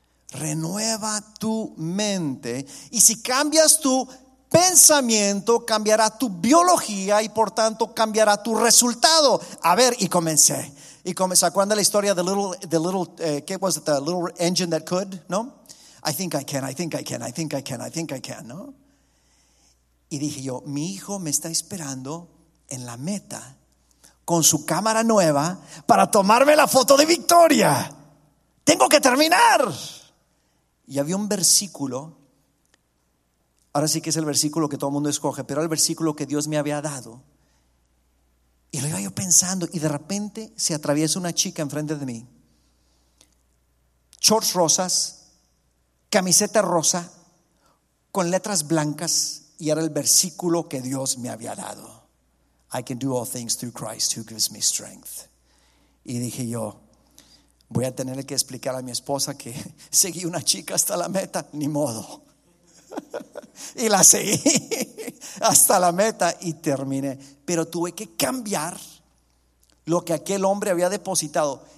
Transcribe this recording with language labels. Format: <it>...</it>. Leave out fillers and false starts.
<es>Renueva tu mente. Y si cambias tu pensamiento, cambiará tu biología y por tanto cambiará tu resultado. A ver, y comencé. Y comencé. ¿Acuerdan la historia de ¿qué</es> <en>was it? The little engine that could,</en> <es>¿no?</es> <en>I think I can, I think I can, I think I can, I think I can, ¿no?</en> <es>Y dije yo, mi hijo me está esperando en la meta con su cámara nueva para tomarme la foto de victoria. Tengo que terminar. Y había un versículo, ahora sí que es el versículo que todo el mundo escoge, pero era el versículo que Dios me había dado. Y lo iba yo pensando y de repente se atraviesa una chica enfrente de mí. Shorts rosas, camiseta rosa, con letras blancas, y era el versículo que Dios me había dado.</es> <en>I can do all things through Christ who gives me strength.</en> <es>Y dije yo, voy a tener que explicar a mi esposa que seguí una chica hasta la meta, ni modo. Y la seguí hasta la meta y terminé. Pero tuve que cambiar lo que aquel hombre había depositado.</es>